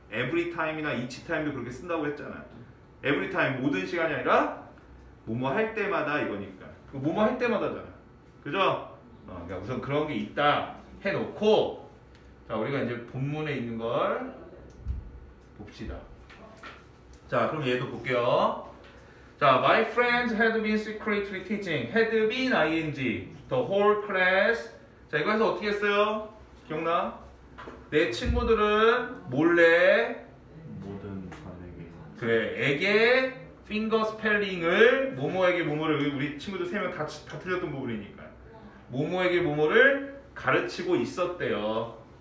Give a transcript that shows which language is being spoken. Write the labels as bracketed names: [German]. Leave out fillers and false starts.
[Korean] every time이나 each time도 그렇게 쓴다고 했잖아. every time, 모든 시간이 아니라 뭐뭐 할 때마다 이거니까. 뭐뭐 할 때마다잖아. 그죠? 그러니까 우선 그런 게 있다 해놓고, 자, 우리가 이제 본문에 있는 걸 봅시다. 자, 그럼 얘도 볼게요. 자, [English] my friends had been secretly teaching. had been ing. the whole class. [Korean] 자, 이거에서 어떻게 했어요? 기억나? 내 친구들은 몰래 모든 반에게. 그래, 에게 finger spelling을 모모에게 모모를 우리 친구들 세 명 다 틀렸던 부분이니까 모모에게 모모를 가르치고 있었대요.